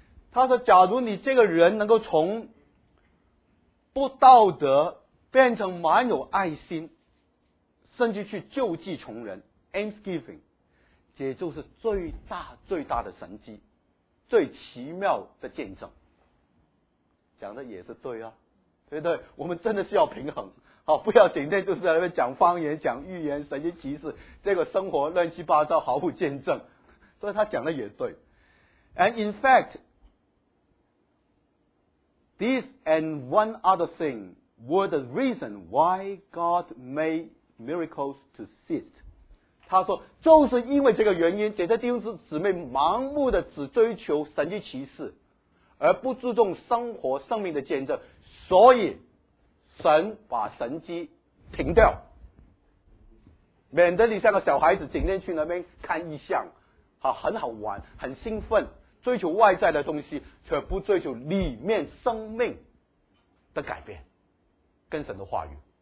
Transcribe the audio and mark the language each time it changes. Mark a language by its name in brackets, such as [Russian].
[Chinese] 他说假如你这个人能够从不道德变成蛮有爱心，甚至去救济穷人 almsgiving， 这就是最大最大的神迹，最奇妙的见证。讲的也是对啊，对不对？我们真的需要平衡，好，不要整天就是在那边讲方言讲预言神迹奇事，这个生活乱七八糟毫无见证。所以他讲的也对。 [English] And in fact this and one other thing were the reason why God made miracles to cease. [Chinese] 他说就是因为这个原因，这些弟兄姊妹盲目的只追求神迹奇事，而不注重生活生命的见证，所以神把神迹停掉，免得你像个小孩子整天去那边看异象，好，很好玩很兴奋，追求外在的东西，却不追求里面生命的改变跟神的话语。